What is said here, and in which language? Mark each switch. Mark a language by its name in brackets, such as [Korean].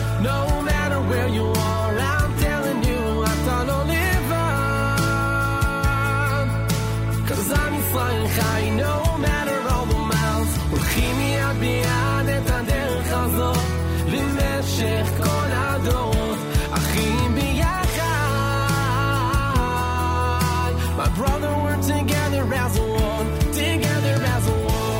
[English] No matter where you are, I'm telling you, [Hebrew] אתה לא לבד. [English] 'Cause I'm Israel Chai, no matter all the miles. [Hebrew] הולכים יד ביד את הדרך למשך כל הדורות, אחים ביחד. [English] My brother, we're together as one, together as one.